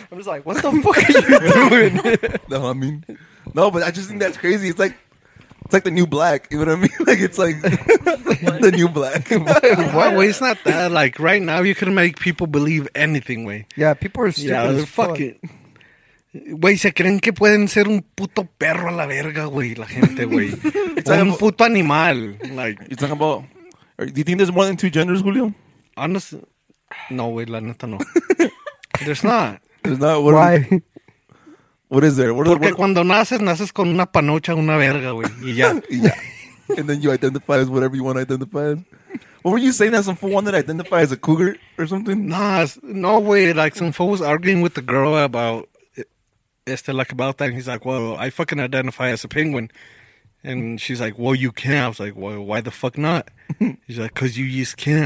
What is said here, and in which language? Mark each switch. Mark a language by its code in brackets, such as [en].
[en] I'm just like, what the fuck are you doing? The humming. No, but I just think that's crazy. It's like... It's like the new black, you know what I mean? Like, it's like the new black. Well, it's not that. Like, right now, you can make people believe anything, way. Yeah, people are stupid. Yeah, they're fucking. [es] Güey, se creen que pueden ser un puto perro a la verga, güey, la gente, güey. Un puto animal. Like, [en] you're talking about. Do you think there's more than two genders, Julio? [es] Honestly. No, güey, la neta no. [en] There's not. There's not. What Why? What is there? What [es] Porque cuando naces, naces con una panocha, una verga, güey. Y ya. [en] And then you identify as whatever you want to identify as. What were you saying? That some fool wanted to identify as a cougar or something? Nah, no way. Like, some fool was arguing with the girl about about that. And he's like, well, I fucking identify as a penguin. And she's like, well, you can. I was like, well, why the fuck not? He's like, because you just can.